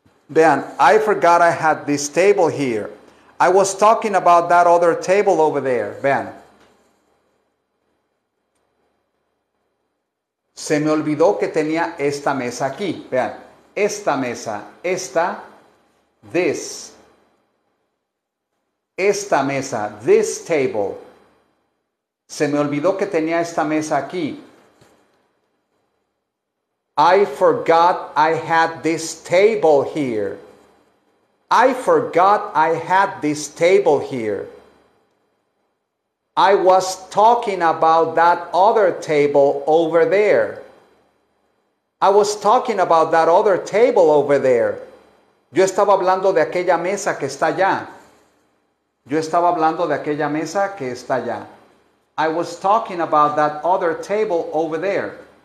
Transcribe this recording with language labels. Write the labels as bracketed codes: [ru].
[es] Vean, [en] I forgot I had this table here. I was talking about that other table over there. [es] Vean. Se me olvidó que tenía esta mesa aquí. Vean, esta mesa. Esta. [en] This. [es] Esta mesa. [en] This table. [es] Se me olvidó que tenía esta mesa aquí. [en] I forgot I had this table here. I forgot I had this table here. I was talking about that other table over there. I was talking about that other table over there. [es] Yo estaba hablando de aquella mesa que está allá. Yo estaba hablando de aquella mesa que está allá. [en] I was talking about that other table over there.